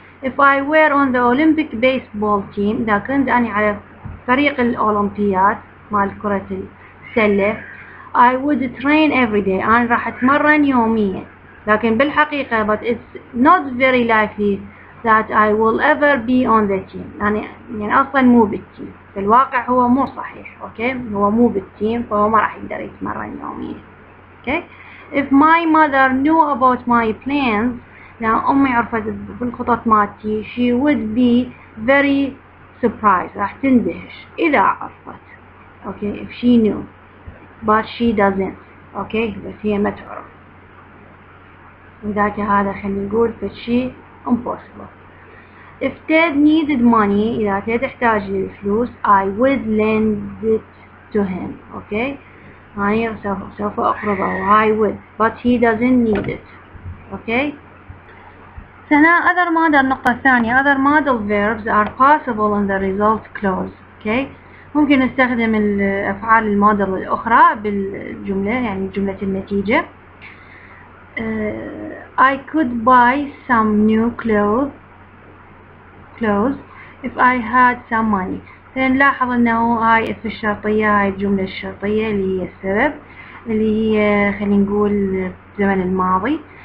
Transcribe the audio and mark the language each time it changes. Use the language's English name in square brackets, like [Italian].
[English] If I were on the Olympic baseball team. [Arabic] إذا كنت أنا على فريق الأولمبياد مال كرة السلة. [English] I would train every day. [Arabic] أنا راح أتمرن يوميا. لكن بالحقيقة [English] but it's not very likely that I will ever be on the team. [Arabic] يعني أصلا مو بالتيم. في الواقع هو مو صحيح. أوكي. هو مو بالتيم فهو ما راح يقدر يتمرن يوميا. [English] Okay. If my mother knew about my plans, [Arabic] لو أمي عرفت بالخطط مالتي, [English] she would be very surprised. [Arabic] راح تندهش إذا عرفت. [English] Okay. If she knew, but she doesn't. Okay. [Arabic] بس هي ما تعرف. لذلك هذا خلينا نقول فشي impossible. [English] If Ted needed money, [Arabic] إذا Ted احتاج للفلوس, [English] I would lend it to him. Okay. [Arabic] أنا سوف أقرضه. [English] I would, but he doesn't need it. Okay. [Arabic] سنا [English] other model [Arabic] نقطة ثانية. [English] Other model verbs are possible in the result clause. Okay. [Arabic] ممكن نستخدم الأفعال المادر الأخرى بالجملة يعني جملة النتيجة. [English] I could buy some new clothes if I had some money. [Arabic] فنلاحظ انه هاي في الشرطية هاي الجملة الشرطية اللي هي السبب اللي هي خلينا نقول زمن الماضي.